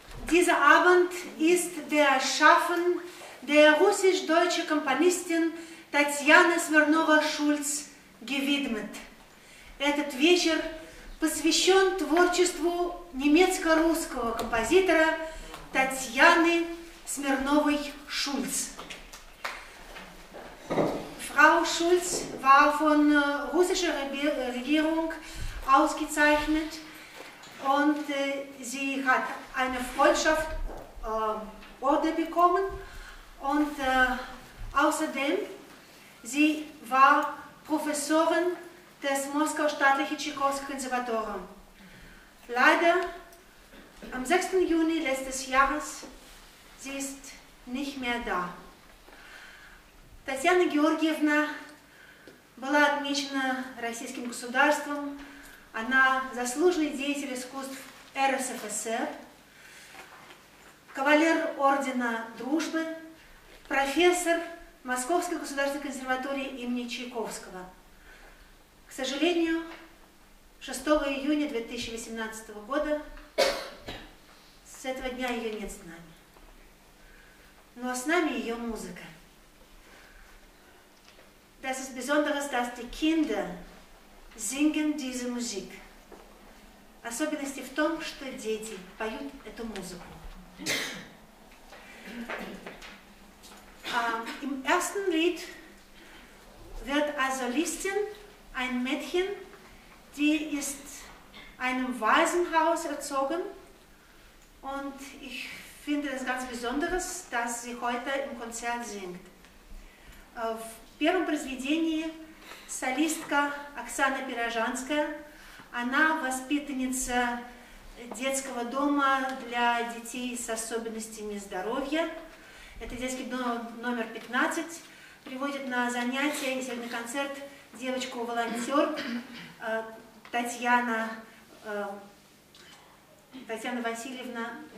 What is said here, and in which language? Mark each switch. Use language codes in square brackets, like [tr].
[de] Dieser Abend ist der Schaffen der russisch-deutschen Komponistin Татьяны Смирнова-Шульц gewidmet. [ru] Этот вечер посвящен творчеству немецко-русского композитора Татьяны Смирновой-Шульц. [de] Frau Schulz war von russischer Regierung ausgezeichnet und sie hat eine Freundschaftsorde bekommen und außerdem sie war Professorin des Moskau Staatlichen Tschaikowski Konservatoriums. Leider am 6. Juni letztes Jahres, sie ist nicht mehr da. [ru] Татьяна Георгиевна была отмечена российским государством. Она заслуженный деятель искусств РСФСР, кавалер Ордена Дружбы, профессор Московской государственной консерватории имени Чайковского. К сожалению, 6 июня 2018 года с этого дня ее нет с нами. Но с нами ее музыка. [de] Das ist besonders, dass die Kinder singen diese Musik. [ru] Особенности в том, что дети поют эту музыку. [de] Im ersten Lied wird als Solistin ein Mädchen, die ist einem Waisenhaus erzogen. Und ich finde das ganz Besonderes, dass sie heute im Konzert singt. [ru] В первом произведении солистка Оксана Пирожанская, она воспитанница детского дома для детей с особенностями здоровья. Это детский дом номер 15, приводит на занятия и сегодня концерт девочку-волонтер Татьяна Васильевна.